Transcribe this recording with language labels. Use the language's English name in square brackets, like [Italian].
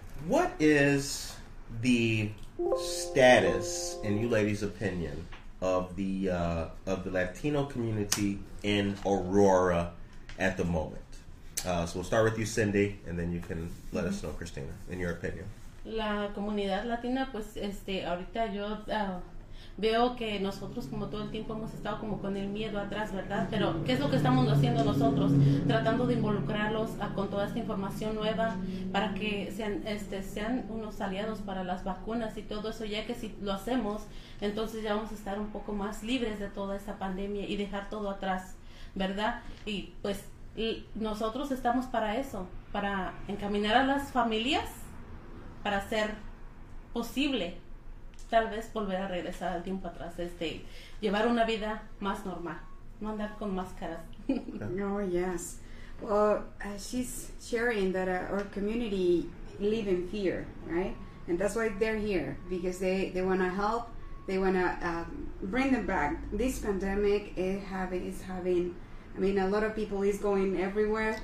[English] What is the status, in you ladies' opinion, of the Latino community in Aurora at the moment? So we'll start with you, Cindy, and then you can let us know, Christina, in your opinion. [Spanish] La comunidad latina, pues, ahorita yo veo que nosotros como todo el tiempo hemos estado como con el miedo atrás, ¿verdad? Pero, ¿qué es lo que estamos haciendo nosotros? Tratando de involucrarlos con toda esta información nueva para que sean, sean unos aliados para las vacunas y todo eso, ya que si lo hacemos, entonces ya vamos a estar un poco más libres de toda esa pandemia y dejar todo atrás, ¿verdad? Y, pues, nosotros estamos para eso, para encaminar a las familias para hacer posible, tal vez, volver a regresar al tiempo atrás, llevar una vida más normal, no andar con máscaras. [English] Oh, yes. Well, she's sharing that our community live in fear, right? And that's why they're here, because they want to help, they want to bring them back. This pandemic is having... I mean, a lot of people is going everywhere.